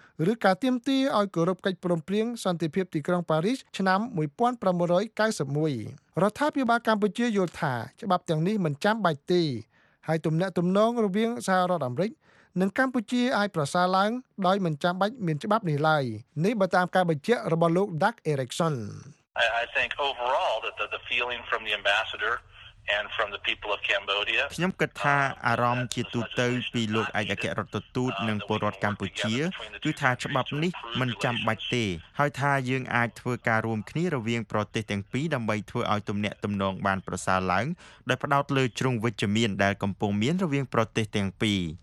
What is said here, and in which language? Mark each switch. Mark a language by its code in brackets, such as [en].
[km] ឬការទាមទារឲ្យគោរពកិច្ចព្រមព្រៀងសន្តិភាពទីក្រុងប៉ារីសឆ្នាំ1991រដ្ឋាភិបាលកម្ពុជាយល់ថាច្បាប់ទាំងនេះមិនចាំបាច់ទេហើយទំនាក់ទំនងរវាងសហរដ្ឋអាមេរិកនិងកម្ពុជាអាចប្រសើរឡើងដោយមិនចាំបាច់មានច្បាប់នេះឡើយនេះបើតាមការបញ្ជាក់របស់លោក Doug Erickson [en] I think overall that the feeling from the ambassador and from the people of Cambodia [km] ខ្ញុំគិតថាអារម្មណ៍ជាទូទៅពីលោកឯកអគ្គរដ្ឋទូតនិងពលរដ្ឋកម្ពុជាគឺថាច្បាប់នេះមិនចាំបាច់ទេហើយថាយើងអាចធ្វើការរួមគ្នារវាងប្រទេសទាំងពីរដើម្បីធ្វើឲ្យទំនាក់ទំនងបានប្រសើរឡើងដោយផ្ដោតលើជ្រុងវិជ្ជមានដែលកំពុងមានរវាងប្រទេសទាំងពីរ